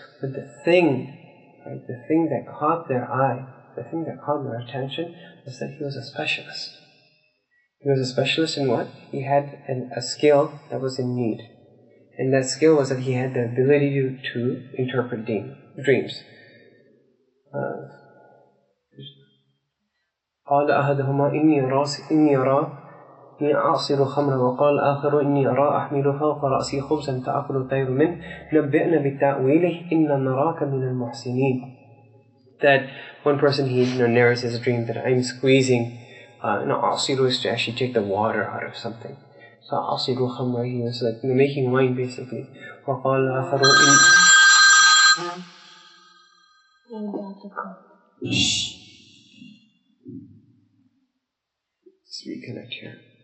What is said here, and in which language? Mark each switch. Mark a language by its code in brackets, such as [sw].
[en] But the thing, right, the thing that caught their eye, the thing that caught their attention, was that he was a specialist. He was a specialist in what? He had a skill that was in need. And that skill was that he had the ability to interpret dreams. [ar] قال أحدهما إني أرى أعصر خمرا وقال آخر إني أرى أحمل فوق رأسي خبزا تأكل الطير منه نبئنا بتأويله إن نراك من المحسنين. [en] That one person he narrates his dream that I'm squeezing, أعصر is to actually take the water out of something. So [ar] أعصر خمرا, [en] he was like making wine basically. [ar] وقال آخر إني [en] reconnect here.